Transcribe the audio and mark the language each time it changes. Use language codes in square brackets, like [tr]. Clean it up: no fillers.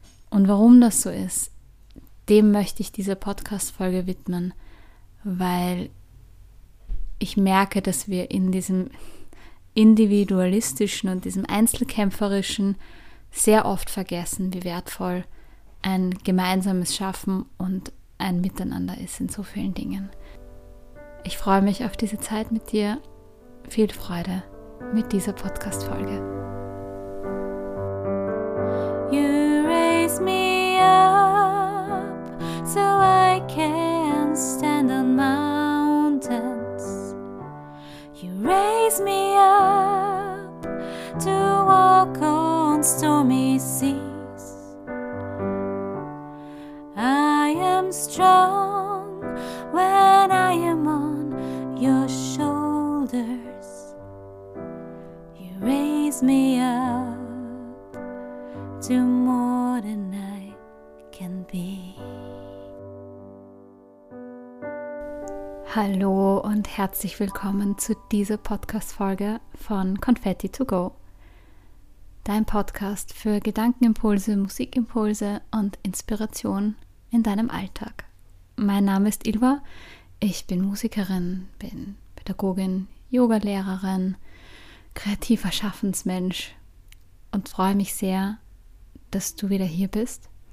[de] Und warum das so ist, dem möchte ich diese Podcast-Folge widmen, weil ich merke, dass wir in diesem individualistischen und diesem einzelkämpferischen sehr oft vergessen, wie wertvoll ein gemeinsames Schaffen und ein Miteinander ist in so vielen Dingen. Ich freue mich auf diese Zeit mit dir. Viel Freude mit dieser Podcast-Folge. [en] You raise me up, so I can stand on mountains. You raise me up to walk on stormy seas. I am strong when I am on your shoulders. Raise me up to more than I can be. [de] Hallo und herzlich willkommen zu dieser Podcast-Folge von Confetti to Go. Dein Podcast für Gedankenimpulse, Musikimpulse und Inspiration in deinem Alltag. Mein Name ist Ilva, ich bin Musikerin, bin Pädagogin, Yogalehrerin, kreativer Schaffensmensch und freue mich sehr, dass du wieder hier bist.